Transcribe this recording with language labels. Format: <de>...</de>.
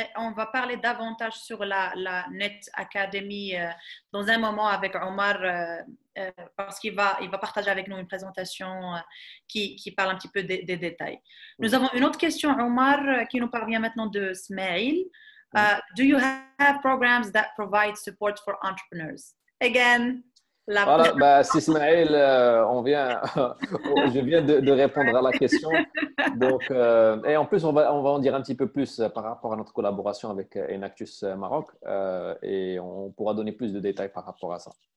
<fr>On va parler davantage sur la Net Academy dans un moment avec Omar, parce qu'il va partager avec nous une présentation qui parle un petit peu des détails. Nous avons une autre question, Omar, qui nous parvient maintenant de Smail.</fr> <en>Do you have programs that provide support for entrepreneurs? Again.</en> <fr>Voilà, c'est Ismaël, je viens de répondre à la question. Donc, et en plus, on va en dire un petit peu plus par rapport à notre collaboration avec Enactus Maroc et on pourra donner plus de détails par rapport à ça.</fr>